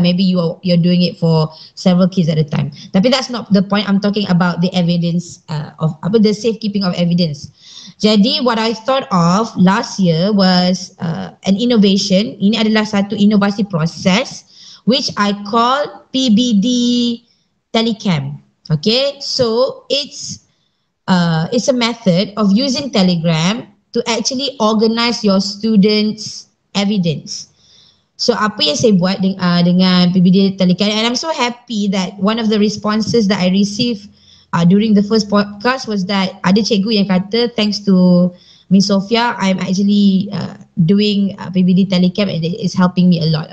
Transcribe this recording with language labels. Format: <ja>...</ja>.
<en>Maybe you're doing it for several kids at a time. Tapi that's not the point. I'm talking about the evidence the safekeeping of evidence. Jadi what I thought of last year was an innovation.</en> <ms>Ini adalah satu inovasi proses</ms> <en>which I call PBD telecam. Okay, so it's a method of using Telegram to actually organize your students' evidence. So</en> <ms>apa yang saya buat dengan</ms> <en>PBD telecam, and I'm so happy that one of the responses that I received during the first podcast was that</en> <ms>ada cikgu yang kata</ms> <en>thanks to Miss Soffea, I'm actually doing PBD telecam and it's helping me a lot.</en>